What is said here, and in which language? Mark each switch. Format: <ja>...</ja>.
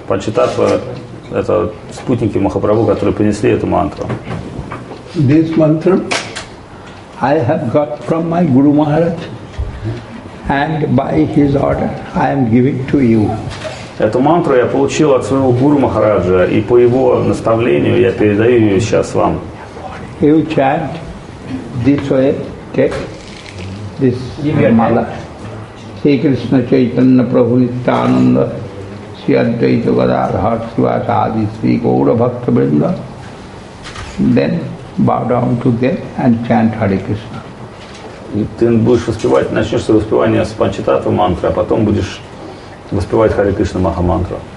<ru>Панчататва – это спутники Махапрабху, которые принесли эту мантру.</ru> <en>This mantra I have got from my Guru Maharaj, and by his order I am giving to you.</en> <ru>Эту мантру я получил от своего гуру Махараджа, и по его наставлению я передаю ее сейчас вам.</ru> <en>You chant this way, take this mala. Sri Krishna Chaitanya Prabhu Nityananda Sri Advaita Gadadhar Sivasadi Sri Gaura Bhakta Vrinda. Then bow down to them and chant Hare Krishna.</en> <ru>Ты будешь воспевать, начнешь свое воспевание с Панчитатва мантры, а потом будешь воспевать Харе Кришна Махамантру.</ru>